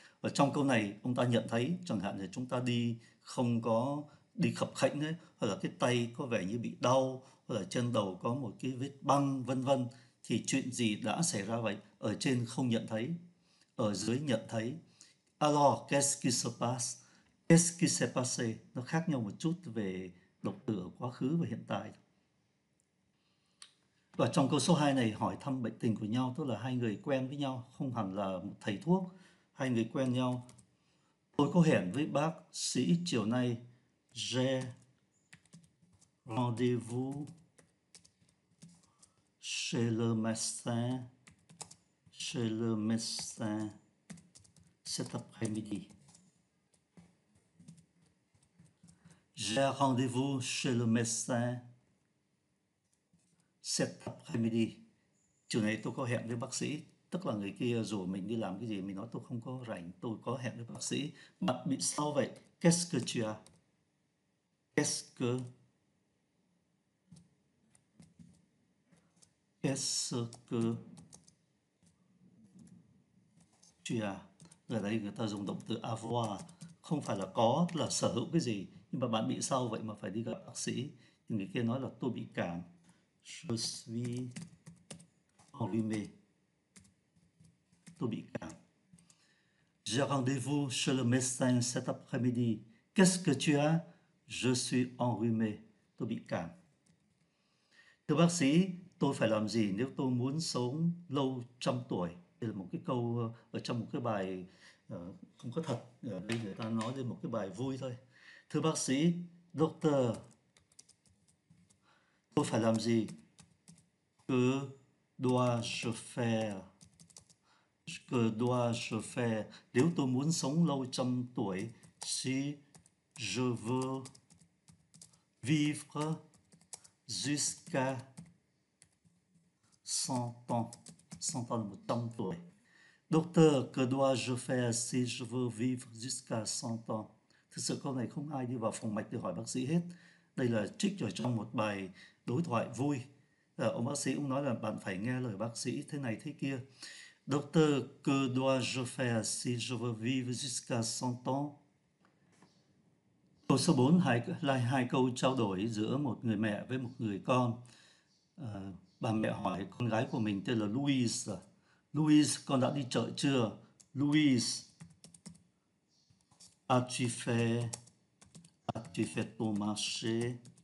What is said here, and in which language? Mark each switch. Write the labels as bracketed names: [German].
[Vietnamese] Và trong câu này ông ta nhận thấy, chẳng hạn là chúng ta đi không có đi khập khệnh ấy, hoặc là cái tay có vẻ như bị đau, hoặc là chân đầu có một cái vết băng vân vân, thì chuyện gì đã xảy ra vậy? Ở trên không nhận thấy, ở dưới nhận thấy. [French] Alors, qu'est-ce qui se passe? Qu'est-ce qui s'est passé? [Vietnamese] Nó khác nhau một chút về động từ ở quá khứ và hiện tại. Và trong câu số 2 này hỏi thăm bệnh tình của nhau, tức là hai người quen với nhau, không hẳn là một thầy thuốc, hai người quen nhau. "Tôi có hẹn với bác sĩ chiều nay." [French] J'ai rendez-vous chez le médecin cet après-midi. J'ai rendez-vous chez le médecin cet après-midi. [Vietnamese] Chiều nay tôi có hẹn với bác sĩ. Tức là người kia rủ mình đi làm cái gì, mình nói tôi không có rảnh, tôi có hẹn với bác sĩ. Bạn bị sao vậy? [French] Qu'est-ce que tu as? Qu'est-ce que tu as? [Vietnamese] Ở đây người ta dùng động từ avoir, không phải là có, tức là sở hữu cái gì. Nhưng mà bạn bị sao vậy mà phải đi gặp bác sĩ? Thì người kia nói là tôi bị cảm. [French] Je suis enrhumé. [Vietnamese] Tôi bị cảm. [French] J'ai rendez-vous chez le médecin cet après-midi. Qu'est-ce que tu as? Je suis enrhumé. [Vietnamese] Tôi bị cảm. Thưa bác sĩ, tôi phải làm gì nếu tôi muốn sống lâu trăm tuổi? Đây là một cái câu ở trong một cái bài không có thật. Ở đây người ta nói lên một cái bài vui thôi. Thưa bác sĩ, doctor, tôi phải làm gì? [French] Que dois-je faire? Que dois-je faire? [Vietnamese] Nếu tôi muốn sống lâu trăm tuổi, [French] si je veux vivre jusqu'à 100 ans. [Vietnamese] 100 ans là 100 tuổi. [French] Docteur, que dois-je faire si je veux vivre jusqu'à 100 ans? [Vietnamese] Thực sự câu này không ai đi vào phòng mạch để hỏi bác sĩ hết. Đây là trích ở trong một bài đối thoại vui. Ông bác sĩ cũng nói là bạn phải nghe lời bác sĩ thế này thế kia. [French] Docteur, que dois-je faire si je veux vivre jusqu'à 100 ans? [Vietnamese] Câu số 4 là hai câu trao đổi giữa một người mẹ với một người con. Bà mẹ hỏi con gái của mình tên là Louise. Louise, con đã đi chợ chưa? [French] Louise, as-tu fait ton marché?